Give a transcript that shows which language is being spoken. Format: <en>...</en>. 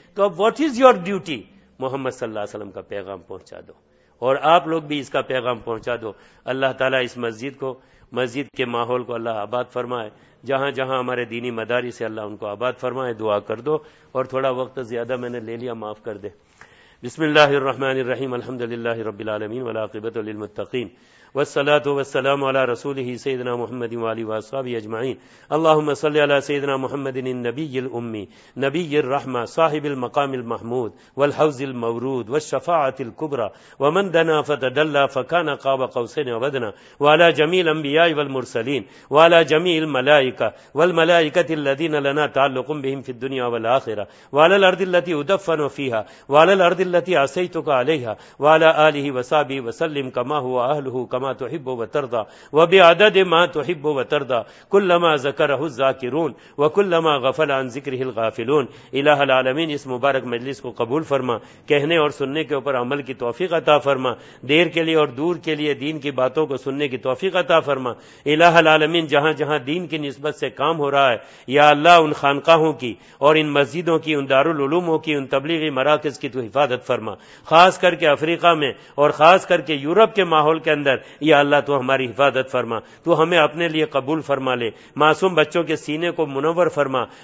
<ur>تو اب</ur> <en>What is your duty?</en> <ur>محمد صلی اللہ علیہ وسلم کا پیغام پہنچا دو, اور آپ لوگ بھی اس کا پیغام پہنچا دو. اللہ تعالیٰ اس مسجد کو, مسجد کے ماحول کو اللہ آباد فرمائے, جہاں جہاں ہمارے دینی مداری سے اللہ ان کو آباد فرمائے. دعا کر دو, اور تھوڑا وقت زیادہ میں نے لے لیا, معاف کر دے.</ur> <ar>بسم اللہ الرحمن الرحیم, الحمد للہ رب العالمین, والعاقبۃ للمتقین, والصلاة والسلام على رسوله سيدنا محمد وعلى وصحبه أجمعين. اللهم صل على سيدنا محمد النبي الأمي نبي الرحمة صاحب المقام المحمود والحوز المورود والشفاعة الكبرى ومن دنا فتدلى فكان قاب قوسين ودنا، وعلى جميع الأنبياء والمرسلين وعلى جميع الملائكة والملائكة الذين لنا تعلق بهم في الدنيا والآخرة، وعلى الأرض التي أدفن فيها وعلى الأرض التي عصيتك عليها وعلى آله وصحبه وسلم كما هو أهله كما تحب وترضى وبعدد ما تحب وترضى كلما ذكره الذاكرون وكلما غفل عن ذكره الغافلون. إله العالمين</ar> <ur>اس مبارک مجلس کو قبول فرما، کہنے اور سننے کے اوپر عمل کی توفیق عطا فرما، دیر کے لیے اور دور کے لیے دین کی باتوں کو سننے کی توفیق عطا فرما.</ur> <ar>إله العالمين</ar> <ur>جہاں جہاں دین کی نسبت سے کام ہو رہا ہے یا اللہ ان خانقاہوں کی اور ان مسجدوں کی ان دارالعلوموں کی ان تبلیغی مراکز کی تو حفاظت فرما، خاص کر کے افریقہ میں اور خاص کر کے یورپ کے ماحول کے اندر یا اللہ تو ہماری حفاظت فرما، تو ہمیں اپنے لیے قبول فرما لے، معصوم بچوں کے سینے کو منور فرما،</ur>